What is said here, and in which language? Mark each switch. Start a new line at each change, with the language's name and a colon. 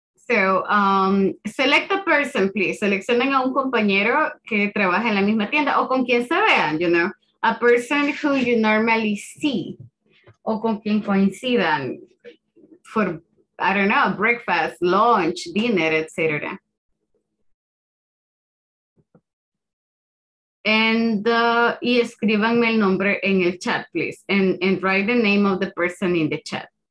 English: So, select a person, please.
Spanish: Seleccionen a un compañero que trabaja en la misma tienda o con quien se vean, you know.
English: A person who you normally see
Spanish: o con quien coincidan
English: for, I don't know, breakfast, lunch, dinner, etc.
Spanish: Y escríbanme el nombre en el chat, please.
English: And write the name of the person in the chat.